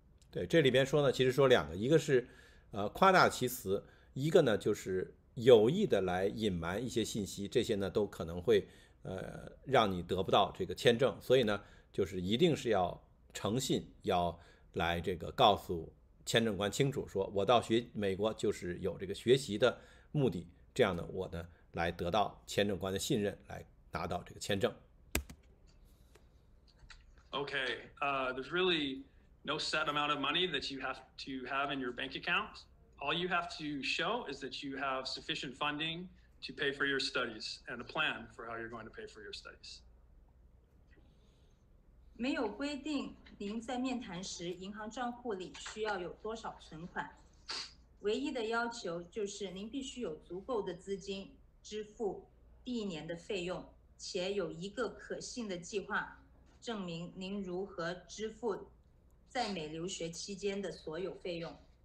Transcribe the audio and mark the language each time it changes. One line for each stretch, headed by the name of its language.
Chinese: 对，这里边说呢，其实说两个，一个是夸大其词，一个呢就是有意的来隐瞒一些信息，这些呢都可能会让你得不到这个签证，所以呢就是一定是要诚信，要来这个告诉签证官清楚，说我到美国就是有这个学习的目的，这样呢我呢来得到签证官的信任，来拿到这个签证。
English: Okay, there's really no set amount of money that you have to have in your bank account. All you have to show is that you have sufficient funding to pay for your studies and a plan for how you're going to pay for your studies.
Chinese: 没有规定您在面谈时银行账户里需要有多少存款，唯一的要求就是您必须有足够的资金支付第一年的费用，且有一个可信的计划证明您如何支付在美留学期间的所有费用。